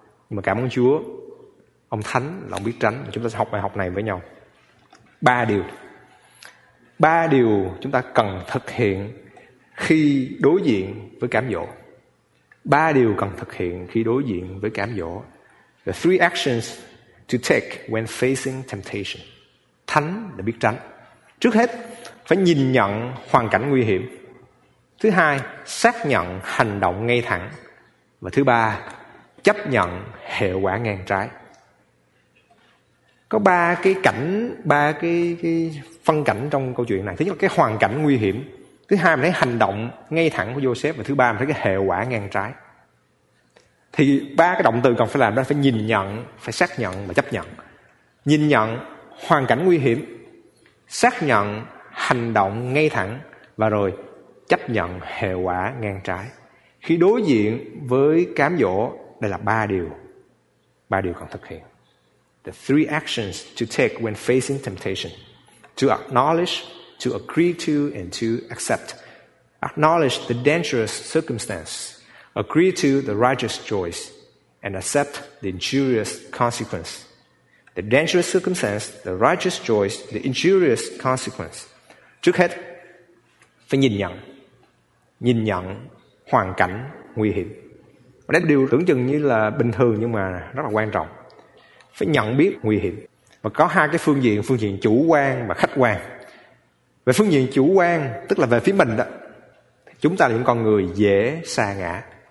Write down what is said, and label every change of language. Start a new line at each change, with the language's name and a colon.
Vietnamese: Nhưng mà cảm ơn Chúa, ông Thánh là ông biết tránh. Chúng ta sẽ học bài học này với nhau. Ba điều chúng ta cần thực hiện khi đối diện với cám dỗ. Ba điều cần thực hiện khi đối diện với cám dỗ.
English: The three actions to take when facing temptation.
Vietnamese: Thánh là biết tránh. Trước hết, phải nhìn nhận hoàn cảnh nguy hiểm. Thứ hai, xác nhận hành động ngay thẳng. Và thứ ba, chấp nhận hệ quả ngang trái. Có ba cái cảnh, ba cái phân cảnh trong câu chuyện này. Thứ nhất là cái hoàn cảnh nguy hiểm. Thứ hai mình thấy hành động ngay thẳng của Joseph. Và thứ ba mình thấy cái hệ quả ngang trái. Thì ba cái động từ cần phải làm đó là phải nhìn nhận, phải xác nhận và chấp nhận. Nhìn nhận hoàn cảnh nguy hiểm, xác nhận hành động ngay thẳng, và rồi chấp nhận hệ quả ngang trái. Khi đối diện với cám dỗ, đây là ba điều cần thực hiện.
English: The three actions to take when facing temptation: to acknowledge, to agree to, and to accept. Acknowledge the dangerous circumstance, agree to the righteous choice, and accept the injurious consequence. The dangerous circumstance, the righteous choice, the injurious consequence.
Vietnamese: Trước hết, phải nhìn nhận hoàn cảnh nguy hiểm. Đấy là điều tưởng chừng như là bình thường nhưng mà rất là quan trọng. Phải nhận biết nguy hiểm. Và có hai cái phương diện chủ quan và khách quan. Về phương diện chủ quan, tức là về phía mình đó, chúng ta là những con người dễ sa ngã.